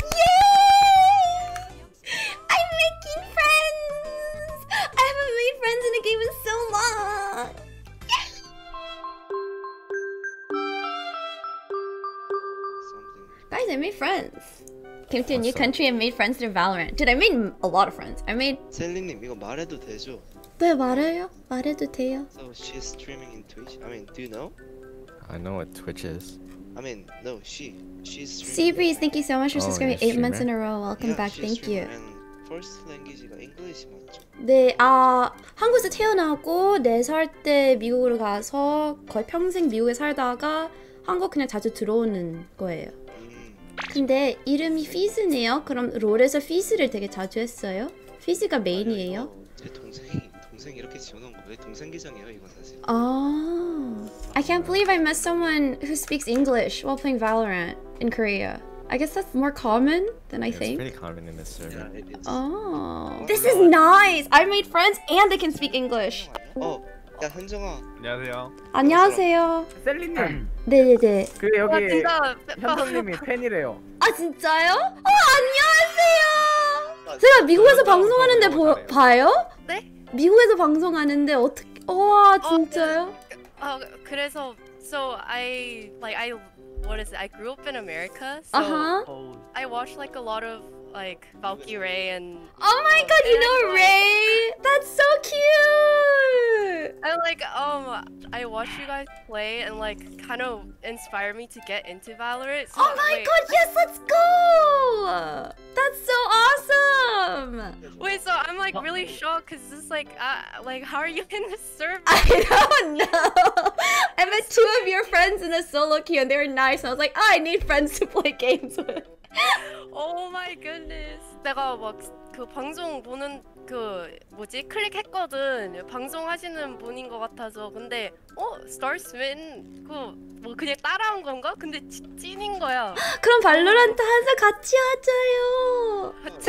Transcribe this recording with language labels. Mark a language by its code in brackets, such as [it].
[en] Yay! I'm making friends! I haven't made friends in a game in so long! Yay! Guys, I made friends! Came to a new country and made friends through Valorant. Dude, I made a lot of friends. I made... [ko] 셀리님, 이거 말해도 되죠? 왜 말해요? 말해도 돼요? [en] So she's streaming in Twitch? I mean, do you know? I know what Twitch is. I mean, no, she's streaming. Seabreeze, thank you so much for subscribing 8 months in a row. Welcome yeah, back, thank you. First language가 [ko] English 맞죠? 네, 한국에서 태어나고 4살 때 미국으로 가서 거의 평생 미국에 살다가 한국 그냥 자주 들어오는 거예요. 근데 이름이 Fizz네요? 그럼 롤에서 Fizz를 되게 자주 했어요? Fizz가 메인이에요? 동생 이렇게 지어놓은 거예요. 동생 계정이에요 이거 사실. [en] Oh, I can't believe I met someone who speaks English while playing Valorant in Korea. I guess that's more common than I think. It's pretty common in this server. Yeah, it is. This is nice. I made friends and they can speak English. [ko] 야 현정아. 안녕하세요. 안녕하세요. 셀리님. 네네네. 그 여기 현정님이 팬이래요. 아 진짜요? 안녕하세요. 제가 미국에서 방송하는데 봐요? 네? 미국에서 방송하는데 어떻게? 와 진짜요? 그래서 [en] so I what is it? I grew up in America, so I watch like a lot of like Valkyrie Ray and oh my god, you know Ray? That's so cute. I like I watch you guys play and like kind of inspire me to get into Valorant. So, oh my god, yes, let's go! That's so awesome! Wait, so I'm like really shocked because this is like how are you in the server? I don't know. I met two of your friends in a solo queue and they were nice. And I was like, oh, I need friends to play games with. Oh my goodness. [ko] 내가 막 그 방송 보는 그 뭐지 클릭했거든. 방송하시는 분인 것 같아서. 근데 Starsman 그 뭐 그냥 따라한 건가? 근데 찐인 거야. 그럼 발로란트 항상 같이 하자요.